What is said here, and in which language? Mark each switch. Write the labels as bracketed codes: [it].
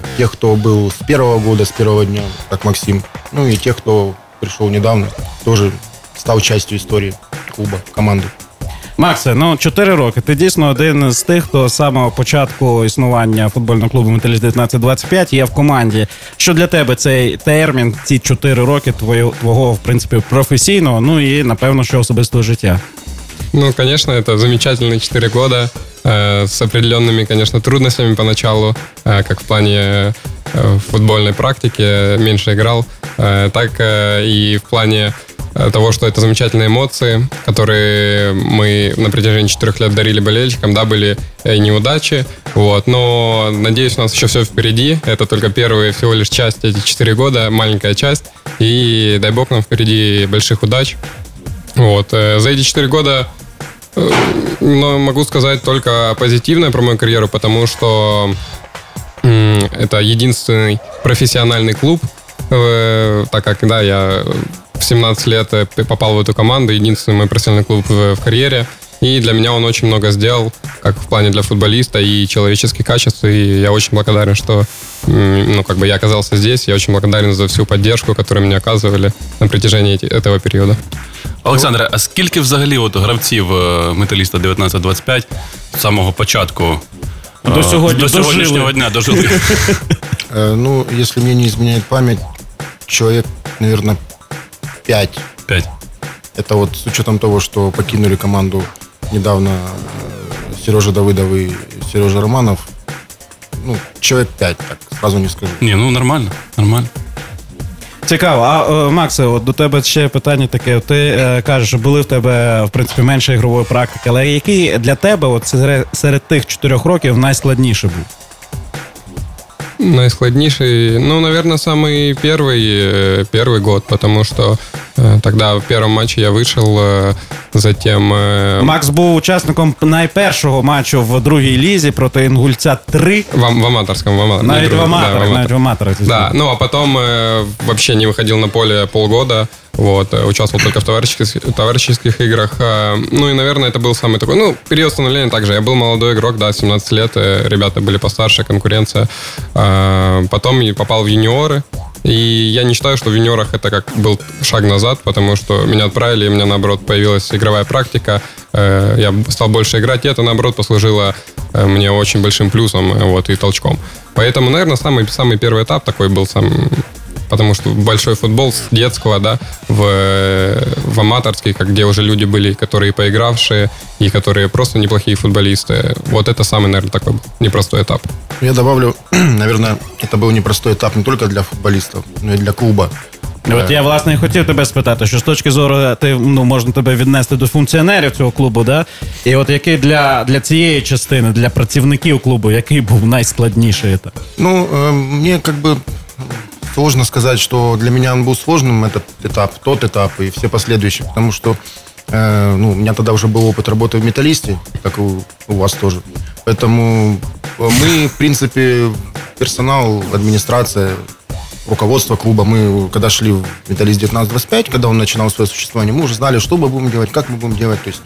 [ru] Тех, кто был с первого года, с первого дня, как Максим. Ну и тех, кто пришел недавно, тоже стал частью истории клуба, команды. [uk] Макс, ну 4 роки. Ти дійсно один з тих, хто з самого початку існування футбольного клубу «Металіст-1925» є в команді. Що для тебе цей термін, ці 4 роки твого, в принципі, професійного, ну і, напевно, що особистого життя? [ru] Ну, конечно, это замечательные 4 года с определенными, конечно, трудностями поначалу, как в плане футбольной практики, меньше играл, так и в плане того, что это замечательные эмоции, которые мы на протяжении 4 лет дарили болельщикам, да, были неудачи, вот, но надеюсь, у нас еще все впереди, это только первая всего лишь часть, эти 4 года, маленькая часть, и дай бог нам впереди больших удач. Вот, за эти 4 года но могу сказать только позитивное про мою карьеру, потому что это единственный профессиональный клуб, так как, да, я в 17 лет попал в эту команду, единственный мой профессиональный клуб в карьере, и для меня он очень много сделал, как в плане для футболиста и человеческих качеств, и я очень благодарен, что, ну, как бы я оказался здесь, я очень благодарен за всю поддержку, которую мне оказывали на протяжении этого периода. [uk] Олександре, а скільки взагалі от гравців «Металіста-1925» з самого початку до сьогодні, до сьогоднішнього дня дожили? Ну, якщо мені не зміняє пам'ять, чоловік, мабуть, 5. 5. Це от з учетом того, що покинули команду недавно Сережа Давидов і Сережа Романов. Ну, чоловік 5, так, зразу не скажу. Ні, ну нормально, нормально. цікаво. А, Макс, от до тебе ще питання таке. Ти кажеш, що були в тебе, в принципі, менше ігрової практики. Але який для тебе от, серед тих 4 років найскладніший був? Найскладніший? [ru] Ну, наверное, самый первый год, потому что тогда в первом матче я вышел, затем... [uk] Макс [ru] был участником [uk] найпершого матча в другій лізі проти Інгульця 3. [ru] В аматорском. [uk] Навіть в аматорах. [ru] Да, ну а потом вообще не выходил на поле полгода, вот, участвовал только в товарищеских играх. Ну и, наверное, это был самый такой, ну, период становления также. Я был молодой игрок, да, 17 лет, ребята были постарше, конкуренция. Потом попал в юниоры. И я не считаю, что в юниорах это как был шаг назад, потому что меня отправили, и у меня, наоборот, появилась игровая практика. Я стал больше играть, и это, наоборот, послужило мне очень большим плюсом, вот, и толчком. Поэтому, наверное, самый первый этап такой был, потому что большой футбол с детского, да, в аматорский, как, где уже люди были, которые поигравшие, и которые просто неплохие футболисты. Вот это самый, наверное, такой был непростой этап. Я добавлю, наверное, это был непростой этап не только для футболистов, но и для клуба. [uk] От я, власне, і хотів тебе спитати, що з точки зору, можна тебе віднести до функціонерів цього клубу, да? І от який для цієї частини, для працівників клубу, який був найскладніший етап? Ну, мені, як би, сложно сказати, що для мене він був сложним, той етап і всі послідуючі, тому що ну, у мене тоді вже був опит роботи в «Металісті», як у вас теж. Тому ми, в принципі, персонал, адміністрація, [ru] руководство клуба, мы когда шли в «Металіст» 1925, когда он начинал свое существование, мы уже знали, что мы будем делать, как мы будем делать.